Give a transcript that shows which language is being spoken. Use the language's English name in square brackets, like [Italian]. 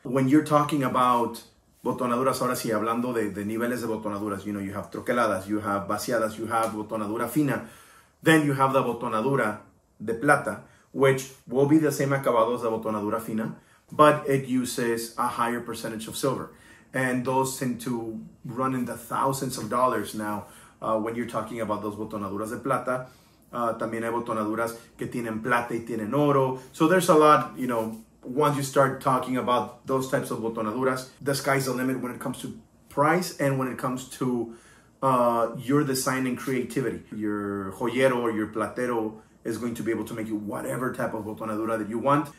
[English] When you're talking about botonaduras, [Spanish] ahora sí, hablando de niveles de botonaduras, [English] you know, you have troqueladas, you have vaciadas, you have botonadura fina, then you have the botonadura de plata, which will be the same acabado as the botonadura fina, but it uses a higher percentage of silver. And those tend to run in the thousands of dollars now when you're talking about those botonaduras de plata. [Spanish] También hay botonaduras que tienen plata y tienen oro. [English] So there's a lot, you know, once you start talking about those types of botonaduras, the sky's the limit when it comes to price and when it comes to your design and creativity. Your joyero or your platero is going to be able to make you whatever type of botonadura that you want.